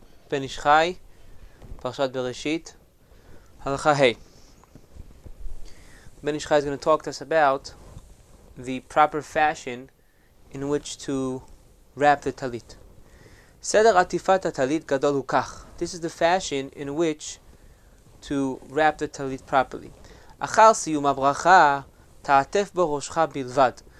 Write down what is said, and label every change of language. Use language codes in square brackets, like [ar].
[he] בן איש חי, פרשת בראשית, הלכה ה. [en] בן איש חי is going to talk to us about the proper fashion in which to wrap the talit. [he] סדר עטיפת הטלית גדול הוא כך. [en] This is the fashion in which to wrap the talit properly. [he] אחר סיום הברכה, תעטף בראשך בלבד.